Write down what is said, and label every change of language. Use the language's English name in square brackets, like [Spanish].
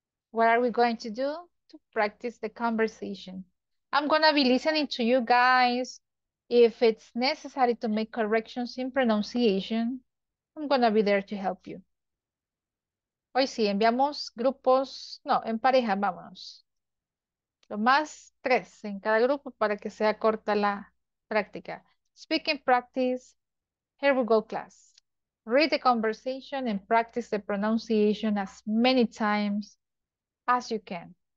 [English] What are we going to do? To practice the conversation. I'm going to be listening to you guys. If it's necessary to make corrections in pronunciation, I'm going to be there to help you. [Spanish] Hoy sí, enviamos grupos, no, en pareja, vámonos. Lo más tres en cada grupo para que sea corta la práctica. [English] Speaking practice, here we go, class. Read the conversation and practice the pronunciation as many times as you can.